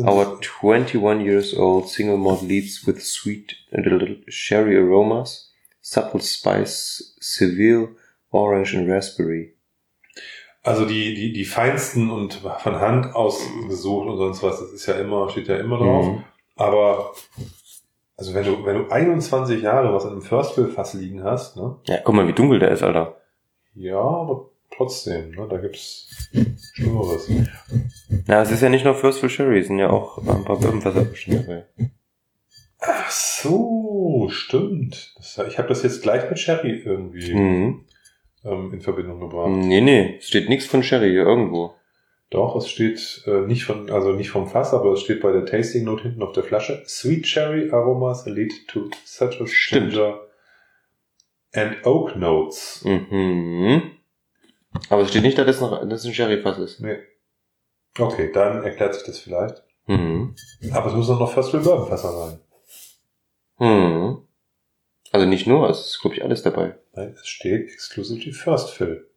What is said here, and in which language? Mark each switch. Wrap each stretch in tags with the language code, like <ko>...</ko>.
<en>Our 21 years old single malt leads with sweet and a little sherry aromas, subtle spice, Seville, orange and raspberry.</en> <de>Also die feinsten und von Hand ausgesucht und sonst was, das ist ja immer, steht ja immer drauf. Mhm. Aber also wenn du 21 Jahre was in einem First Fill Fass liegen hast, ne? Ja, guck mal, wie dunkel der ist, Alter. Ja, aber trotzdem, ne, da gibt's Schlimmeres. Ja, es ist ja nicht nur First Fill Sherry, es sind ja auch ein paar Birnenfässer bestimmt dabei. Ach so, stimmt. Ich habe das jetzt gleich mit Sherry irgendwie in Verbindung gebracht. Nee, es steht nichts von Sherry hier irgendwo. Doch, es steht nicht vom Fass, aber es steht bei der Tasting Note hinten auf der Flasche.</de> <en>Sweet Sherry Aromas lead to citrus, ginger and oak notes. Mhm.</en> <de>Aber es steht nicht, dass es ein Sherry-Fass ist. Nee. Okay, dann erklärt sich das vielleicht. Mhm. Aber es muss doch noch First Fill Bourbon-Fässer sein. Mhm. Also nicht nur, es ist, glaube ich, alles dabei. Nein, es steht</de> <en>exclusively First Fill.</en>